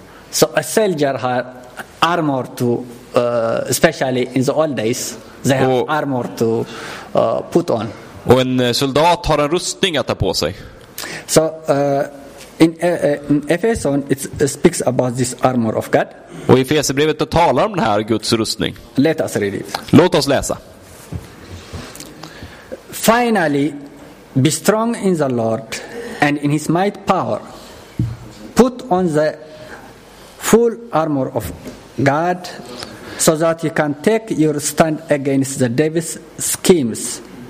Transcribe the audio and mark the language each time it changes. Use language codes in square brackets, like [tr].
[en] So a soldier has armor to especially in the old days they have armor to put on. [sv] Och en soldat har en rustning att ta på sig. [en] So in Ephesians it speaks about this armor of God. [sv] Och i Efesierbrevet talar om den här Guds rustning. [en] Let us read it. [sv] Låt oss läsa. [en] Finally, be strong in the Lord and in his might power. put on the full armor of God so that you can take your stand against the devil's schemes.